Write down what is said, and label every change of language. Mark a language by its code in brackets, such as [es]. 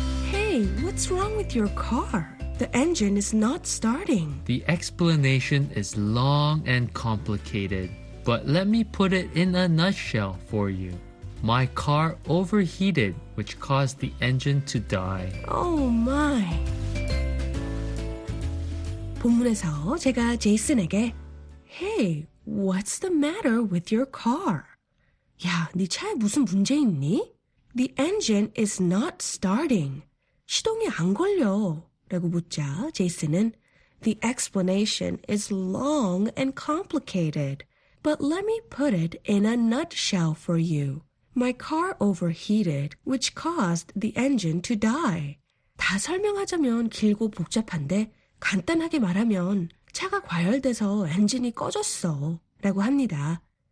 [en] Hey, what's wrong with your car? The engine is not starting. The explanation is long and complicated, but let me put it in a nutshell for you. My car overheated, which caused the engine to die. Oh my. [ko] 본문에서 제가 제이슨에게 [en] Hey, what's the matter with your car? [ko] 야, 네 차에 무슨 문제 있니? [en] The engine is not starting. [ko] 시동이 안 걸려. 라고 묻자 제이슨은 [en] The explanation is long and complicated. But let me put it in a nutshell for you. My car overheated, which caused the engine to die. [ko] 다 설명하자면 길고 복잡한데 간단하게 말하면 차가 과열돼서 엔진이 꺼졌어 라고 합니다.